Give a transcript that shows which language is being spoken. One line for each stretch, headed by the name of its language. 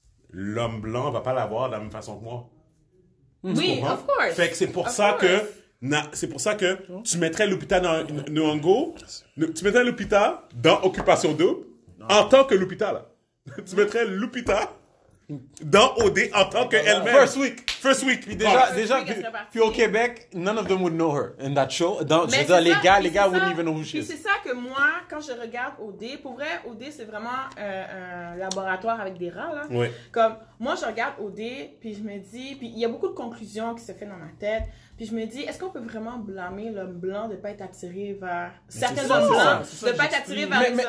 French: L'homme blanc ne va pas la voir de la même façon que moi.
English: Mm-hmm.
French: Oui,
English: of course.
French: Fait que c'est pour ça que tu mettrais Lupita Nyong'o, tu mettrais Lupita dans Occupation Double en tant que Lupita, là. Tu mettrais Lupita dans OD en tant qu'elle-même.
English: First week.
French: Puis déjà puis au Québec,
English: none of them would know her in that show.
French: Donc, je veux dire, les gars
English: wouldn't even know who she is.
French: Puis c'est ça que moi, quand je regarde OD, pour vrai, OD, c'est vraiment un laboratoire avec des rats, là. Oui. Comme, moi, je regarde OD, puis je me dis, puis il y a beaucoup de conclusions qui se font dans ma tête, puis je me dis, est-ce qu'on peut vraiment blâmer l'homme blanc de ne pas être attiré vers... Certains hommes blancs, de ne pas être attiré vers les hommes noirs.